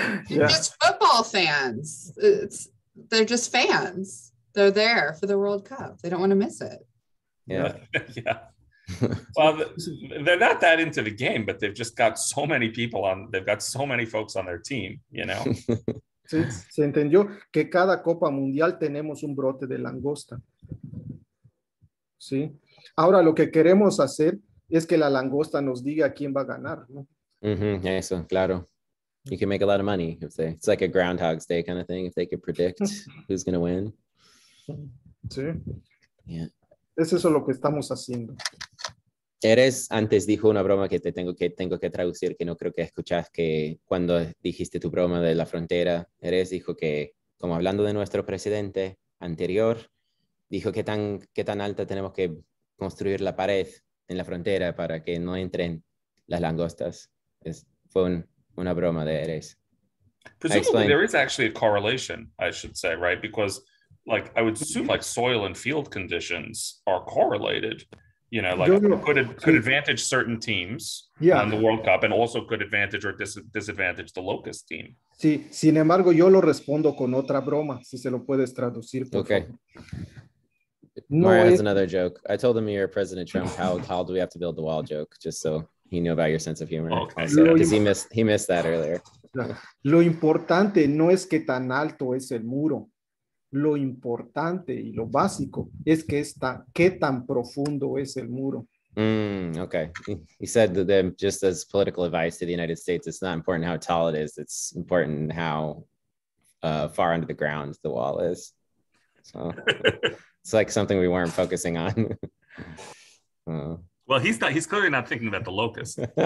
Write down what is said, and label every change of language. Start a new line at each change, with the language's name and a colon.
English: Yeah. It's football fans. They're just fans. They're there for the World Cup. They don't want to miss it. Yeah. Well, they're not that into the game, but they've just got so many people on. They've got so many folks on their team, you know.
Spanish: Sí, se entendió que cada Copa Mundial tenemos un brote de langosta. Sí. Ahora lo que queremos hacer es que la langosta nos diga quién va a ganar, ¿no? Eso, claro.
English: You can make a lot of money if they. It's like a Groundhog's Day kind of thing. If they could predict who's going to win.
Spanish: Sí.
English: Yeah.
Spanish: Es eso lo que estamos haciendo. Eres, antes dijo una broma que tengo que traducir, que no creo que escuchas, que cuando dijiste tu broma de la frontera, Eres dijo que, como hablando de nuestro presidente anterior, dijo que tan alta tenemos que construir la pared en la frontera para que no entren las langostas. Es, fue un, una broma de Eres.
English: Presumably there is actually a correlation, I should say, right? Because like I would assume like soil and field conditions are correlated. You know, like could advantage certain teams in the World Cup, and also could advantage or disadvantage the locust team.
Spanish: Sí, sin embargo, yo lo respondo con otra broma, si se lo puedes traducir, por
English: okay.
Spanish: favor.
English: Mario has another joke. I told him you're President Trump. How do we have to build the wall joke? Just so he knew about your sense of humor. Because okay. he missed that earlier.
Spanish: Lo importante no es que tan alto es el muro. Lo importante y lo básico es que está, qué tan profundo es el muro.
English: Okay. He said that then, just as political advice to the United States, it's not important how tall it is. It's important how far under the ground the wall is. So it's like something we weren't focusing on. Well, he's clearly not thinking about the locust.